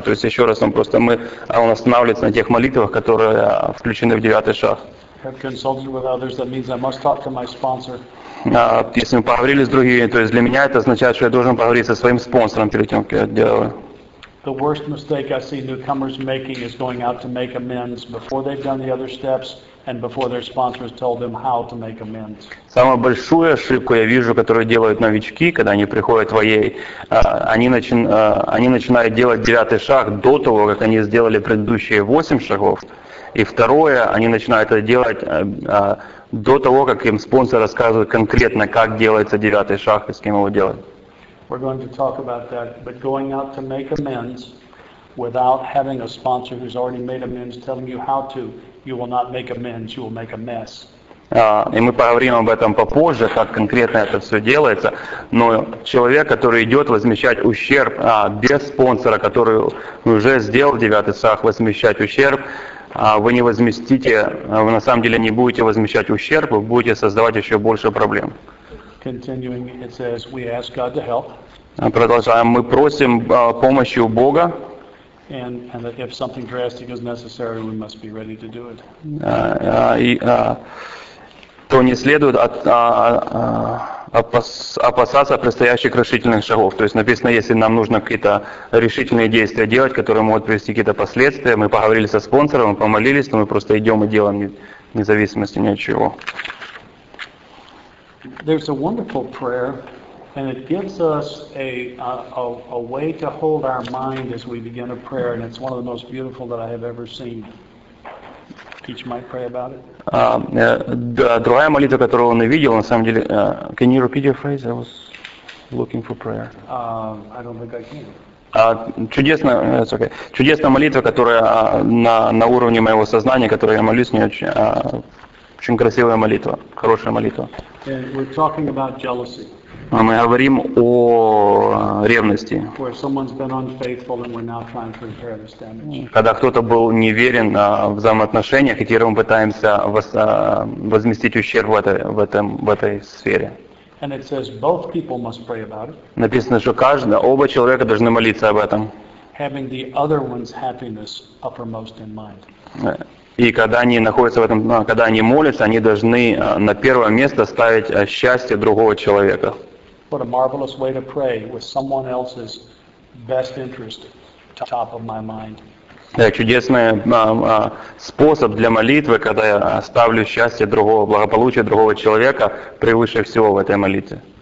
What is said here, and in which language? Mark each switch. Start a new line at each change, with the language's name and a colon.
Russian: То есть еще раз, он останавливается на тех молитвах, которые включены в девятый шаг.
English: Have consulted with others, that means I must talk to my sponsor.
Russian: Если мы поговорили с другими, то есть для меня это означает, что я должен поговорить со своим спонсором перед тем, как я делаю.
English: The worst mistake I see newcomers making is going out to make amends before they've done the other steps and before their sponsors told them how to make amends.
Russian: Самую большую ошибку я вижу, которую делают новички, когда они приходят в АЕ, они начинают делать девятый шаг до того, как они сделали предыдущие 8 шагов. И второе, они начинают это делать до того, как им спонсор рассказывает конкретно, как делается девятый шаг и с кем его делать.
English: We're going to talk about that, but going out to make amends without having a sponsor who's already made amends telling you how to, you will not make amends, you will make a mess.
Russian: И мы поговорим об этом попозже, как конкретно это все делается. Но человек, который идет возмещать ущерб без спонсора, который уже сделал девятый шаг, возмещать ущерб, вы не возместите, вы на самом деле не будете возмещать ущерб, вы будете создавать еще больше проблем.
English: Continuing, it says, we ask God to help.
Russian: Продолжаем, мы просим помощи у Бога.
English: And that if something drastic is necessary, we must be ready to do it.
Russian: То не следует опасаться предстоящих решительных шагов. То есть написано, если нам нужно какие-то решительные действия делать, которые могут привести какие-то последствия, мы поговорили со спонсором, мы помолились, то мы просто идем и делаем, вне зависимости ни от чего.
English: There's a wonderful prayer, and it gives us a way to hold our mind as we begin a prayer, and it's one of the most beautiful that I have ever seen. Teach my prayer about it.
Russian: Другая молитва, которую он увидел, на самом деле,
English: can you repeat your phrase? I was looking for prayer. I don't think I can.
Russian: Чудесная молитва, которая на уровне моего сознания, которую я молюсь, не очень красивая молитва, хорошая молитва.
English: And we're talking about jealousy.
Russian: Мы говорим о ревности.
English: Where someone's been unfaithful and we're now trying to repair this damage.
Russian: Когда кто-то был неверен в взаимоотношениях, и теперь мы пытаемся возместить ущерб в этой сфере.
English: And it says both people must pray about it.
Russian: Написано, что оба человека должны молиться об этом.
English: Having the other one's happiness uppermost in mind.
Russian: И когда они находятся в этом, когда они молятся, они должны на первое место ставить счастье другого человека.
English: What a marvelous way to pray with someone else's best interest top of my mind.
Russian: Да, чудесный способ для молитвы, когда я ставлю счастье другого, благополучие другого человека превыше всего в этой молитве.